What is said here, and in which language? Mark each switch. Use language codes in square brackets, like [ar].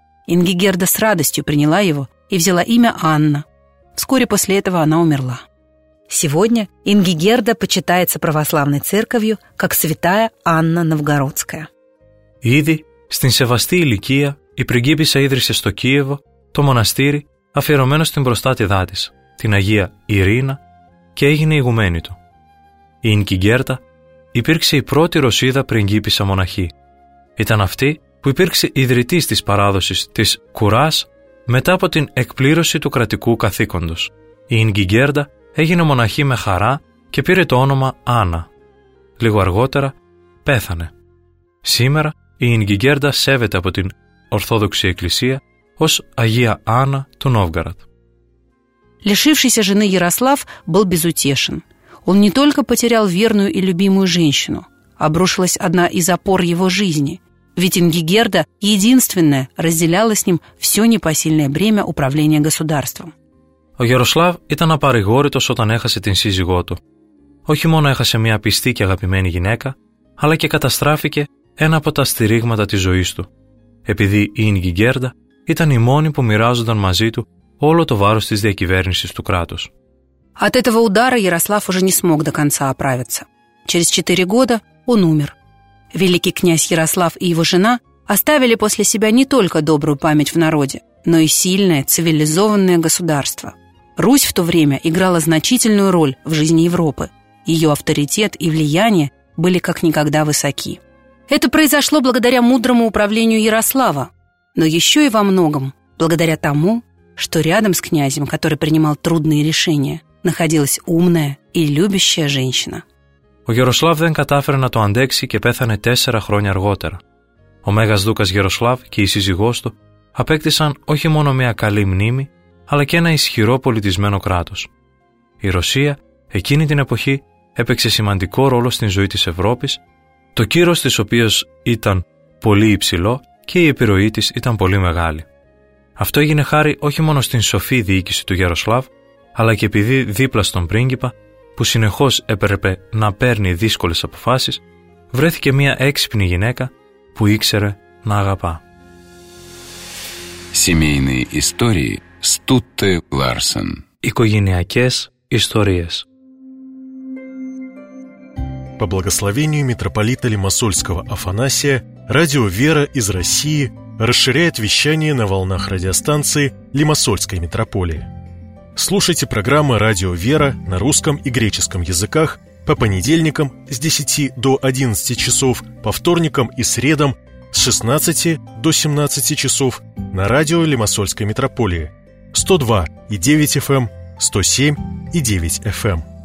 [ru] Ингигерда с радостью приняла его и взяла имя Анна. Вскоре после этого она умерла. Сегодня Ингигерда почитается православной церковью как святая Анна Новгородская. [el] Ήδη στην σεβαστή ηλικία η πριγκίπισσα ίδρυσε στο Κίεβο το μοναστήρι αφιερωμένο στην προστάτηδά της, την Αγία Ειρήνα, και έγινε ηγουμένη του. Η Ινγκιγκέρντα υπήρξε η πρώτη Ρωσίδα πριγκίπισσα μοναχή. Ήταν αυτή που υπήρξε ιδρυτής της παράδοσης της Κουράς μετά από την εκπλήρωση του κρατικού καθήκοντος. Η Ινγκιγκέρντα έγινε μοναχή με χαρά και πήρε το όνομα Άννα. Λίγο αργότερα πέθανε. Σήμερα η Ινγκιγκέρντα σέβεται από την Ορθόδοξη Εκκλησία ως Αγία Άννα του Νόβγαραντ. [ru] Лишившийся жены Ярослав был безутешен. Он не только потерял верную и любимую женщину, обрушилась одна из опор его жизни. Ведь Ингигерда, единственная, разделяла с ним все непосильное бремя управления государством. [el] Ο Γεροσλάβ ήταν απαρηγόρητος όταν έχασε την σύζυγό του. Όχι μόνο έχασε μια πιστή και αγαπημένη γυναίκα, αλλά και καταστράφηκε ένα από τα στηρίγματα της ζωής του, επειδή η Ινγκιγκέρντα ήταν η μόνη που μοιράζονταν μαζί του όλο το βάρος της διακυβέρνησης του κράτους. [ru] От этого удара Ярослав уже не смог до конца оправиться. Через 4 года он умер. Великий князь Ярослав и его жена оставили после себя не только добрую память в народе, но и сильное цивилизованное государство. Русь в то время играла значительную роль в жизни Европы. Ее авторитет и влияние были как никогда высоки. Это произошло благодаря мудрому управлению Ярослава, но еще и во многом благодаря тому, что рядом с князем, который принимал трудные решения, находилась умная и любящая женщина. [el] Ο Γεροσλάβ δεν κατάφερε να το αντέξει και πέθανε 4 χρόνια αργότερα. Ο Μέγας Δούκας Γεροσλάβ και η σύζυγός του απέκτησαν όχι μόνο μια καλή μνήμη, αλλά και ένα ισχυρό πολιτισμένο κράτος. Η Ρωσία εκείνη την εποχή έπαιξε σημαντικό ρόλο στην ζωή της Ευρώπης, το κύρος της οποίος ήταν πολύ υψηλό και η επιρροή της ήταν πολύ μεγάλη. Αυτό έγινε χάρη όχι μόνο στην σοφή διοίκηση του Γεροσλάβ, αλλά και επειδή δίπλα στον πρίγκιπα, που συνεχώς έπρεπε να παίρνει δύσκολες αποφάσεις, βρέθηκε μια έξυπνη γυναίκα που ήξερε να αγαπά. [ru] Семейные истории Стутте Ларсен. [el] Οικογενειακές ιστορίες. [ru] По благословению митрополита Лимассольского Афанасия, радио «Вера» из России расширяет вещание на волнах радиостанции Лимассольской митрополии. Слушайте программы «Радио Вера» на русском и греческом языках по понедельникам с 10 до 11 часов, по вторникам и средам с 16 до 17 часов на радио Лимассольской митрополии 102,9 FM, 107,9 FM.